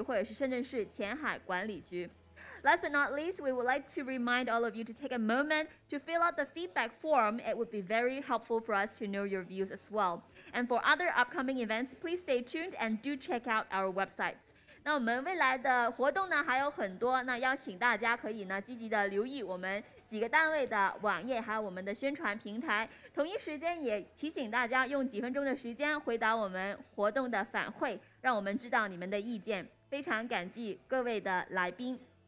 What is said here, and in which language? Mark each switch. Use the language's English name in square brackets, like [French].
[Chinese] 那今天的交流会呢，如果大家有任何的问题，也可以联络香港投资推广署、深圳市商务局或者是深圳市前海管理局。 [English] Last but not least, we would like to remind all of you to take a moment to fill out the feedback form. It would be very helpful for us to know your views as well. And for other upcoming events, please stay tuned and do check out our websites. [Chinese] 那我们未来的活动呢还有很多，那邀请大家可以呢积极的留意我们几个单位的网页，还有我们的宣传平台。同一时间也提醒大家用几分钟的时间回答我们活动的反馈，让我们知道你们的意见。非常感激各位的来宾。